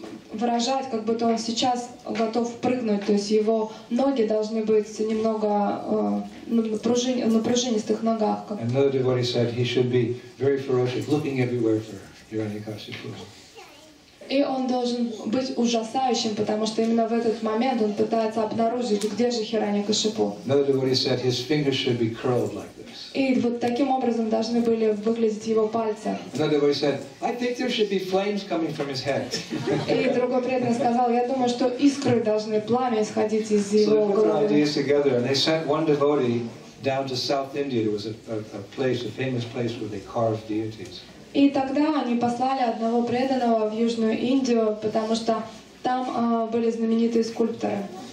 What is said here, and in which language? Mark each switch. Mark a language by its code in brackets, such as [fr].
[ru] выражать, как будто он сейчас готов прыгнуть, то есть его ноги должны быть немного на пружинистых ногах. Как... [en] Another devotee said he should be very ferocious, looking everywhere for Hiranyakashipu. [ru] И он должен быть ужасающим, потому что именно в этот момент он пытается обнаружить, где же Хиранья-Кашипу. [en] Another devotee said his fingers should be curled like this. [ru] И вот таким образом должны были выглядеть его пальцы. [en] Another devotee said, I think there should be flames coming from his head. [ru] И другой преданный сказал, я думаю, что искры должны, пламя исходить из его головы. [en] So they put the ideas together, and they sent one devotee down to South India. There was a place, a famous place where they carved deities. [ru] И тогда они послали одного преданного в Южную Индию, потому что там были знаменитые скульпторы.